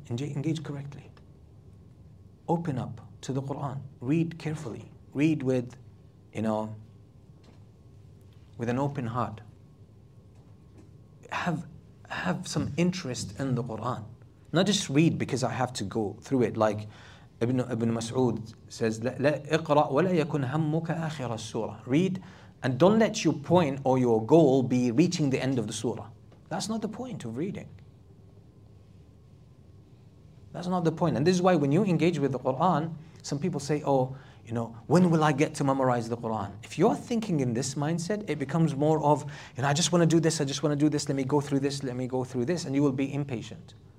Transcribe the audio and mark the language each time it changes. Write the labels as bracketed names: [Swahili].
[English] Engage correctly. Open up to the Quran. Read carefully. Read with, you know, with an open heart. have some interest in the Quran. Not just read because I have to go through it. Like Ibn Mas'ud says, [Arabic] اقرأ ولا يكن همك آخر السورة. [English] Read and don't let your point or your goal be reaching the end of the surah. That's not the point of reading. That's not the point. And this is why when you engage with the Quran, some people say, oh, you know, when will I get to memorize the Quran? If you're thinking in this mindset, it becomes more of, you know, I just want to do this, let me go through this, and you will be impatient.